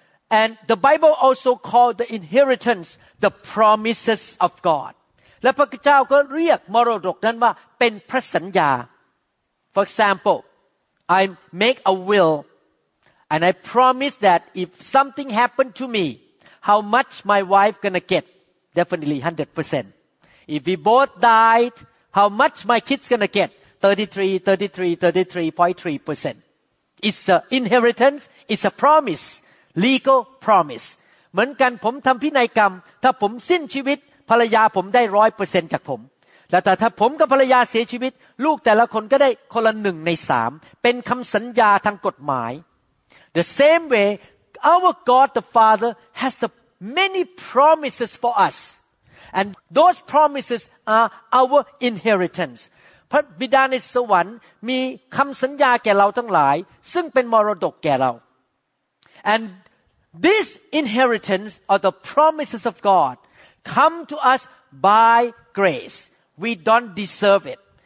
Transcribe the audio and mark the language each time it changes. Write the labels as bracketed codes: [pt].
[en] And the Bible also called the inheritance the promises of God [th] และพระเจ้าก็เรียกมรดกนั้นว่าเป็นพระสัญญา [en] For example, I make a will and I promise that if something happened to me, how much my wife gonna get? Definitely 100%. If we both died, how much my kids gonna get? 33.3%. It's an inheritance, it's a promise, legal promise. [th] เหมือนกันผมทำพินัยกรรมถ้าผมสิ้นชีวิตภรรยาผมได้ 100% จากผมแต่ถ้าผมกับภรรยาเสียชีวิตลูกแต่ละคนก็ได้คนละ1ใน3เป็นคำสัญญาทางกฎหมาย [en] The same way our God the Father has the many promises for us and those promises are our inheritance [th] พระบิดาในสวรรค์มีคำสัญญาแก่เราทั้งหลายซึ่งเป็นมรดกแก่เรา [en] And this inheritance or the promises of God come to us by graceWe don't deserve it.